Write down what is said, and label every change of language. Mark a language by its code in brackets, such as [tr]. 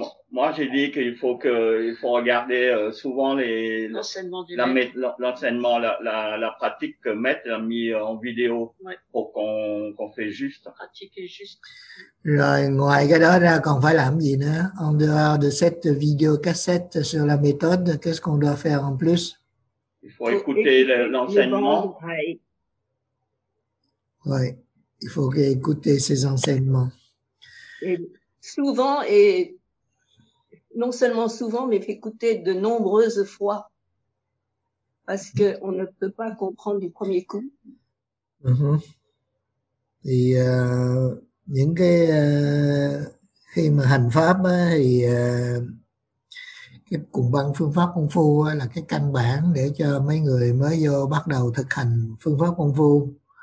[fr] Moi, j'ai dit qu'il faut regarder souvent l'enseignement, la pratique que maître a mis en vidéo, ouais, pour qu'on fait juste. Pratique est juste. [vi] Rồi, ngoài cái đó ra, còn phải làm gì nữa? [fr] En dehors de cette vidéo cassette sur la méthode, qu'est-ce qu'on doit faire en plus? Il faut écouter l'enseignement. Oui, il faut écouter ces enseignements. Souvent, et non seulement souvent, mais écouter de nombreuses fois, parce qu'on ne peut pas comprendre du premier coup. [vi] Thì những cái khi mà hành pháp á, thì cái cùng bằng phương pháp công phu á, là cái căn bản để cho mấy người mới vô bắt đầu thực hành phương pháp công phu.